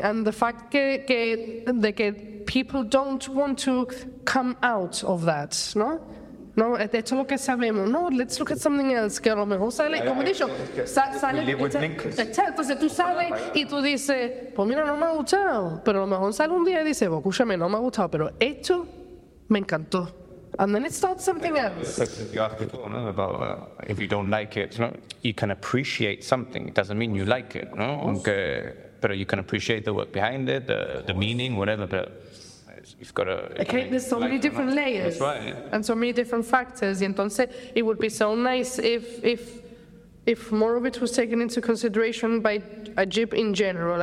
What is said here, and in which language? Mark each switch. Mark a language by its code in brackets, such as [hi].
[en] And the fact que people don't want to come out of that, no? [es] No, esto es lo que sabemos. No, let's look at something else. Que a lo mejor sale, yeah, como he dicho, sale... Entonces tú sales y tú dices, pues mira, no me ha gustado. Pero a lo mejor sale un día y dices, pues escúchame, no me ha gustado, pero esto me encantó. [en] And then it starts something else. You asked before, no, about if you don't like it, no? You can appreciate something. It doesn't mean you like it, no? Aunque, pero you can appreciate the work behind it, the meaning, whatever, but... You've got to, okay, there's so many different layers, that's right, and so many different factors. Y entonces, it would be so nice if more of it was taken into consideration by AJIP in general.